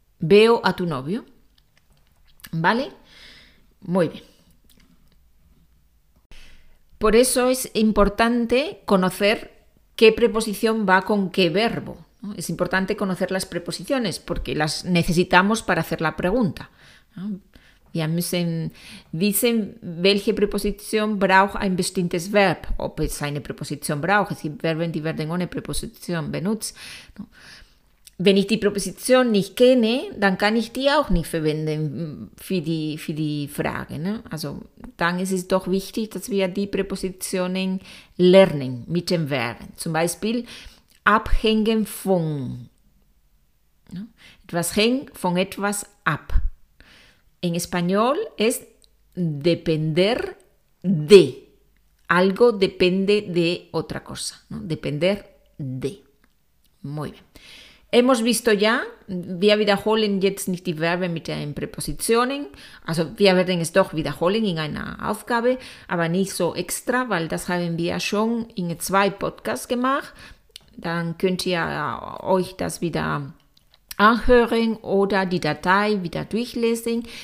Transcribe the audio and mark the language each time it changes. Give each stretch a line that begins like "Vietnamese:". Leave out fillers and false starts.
Spanish: Veo a tu novio. ¿Vale? Muy bien. Por eso es importante conocer qué preposición va con qué verbo. Es importante conocer las preposiciones porque las necesitamos para hacer la pregunta.
German: Wir müssen wissen, welche Präposition braucht ein bestimmtes Verb, ob es eine Präposition braucht. Es gibt Verben, die werden ohne Präposition benutzt. Wenn ich die Präposition nicht kenne, dann kann ich die auch nicht verwenden für die Frage. Ne? Also dann ist es doch wichtig, dass wir die Präpositionen lernen mit den Verben. Zum Beispiel abhängen von. Ne? Etwas hängt von etwas ab.
Spanish: En español es depender de. Algo depende de otra cosa. ¿No? Depender de. Muy bien. Hemos visto ya,
German: wir wiederholen jetzt nicht die Verben mit den Präpositionen, also wir werden es doch wiederholen in einer Aufgabe, aber nicht so extra, weil das haben wir schon in zwei Podcasts gemacht. Dann könnt ihr euch das wieder anhören oder die Datei wieder durchlesen.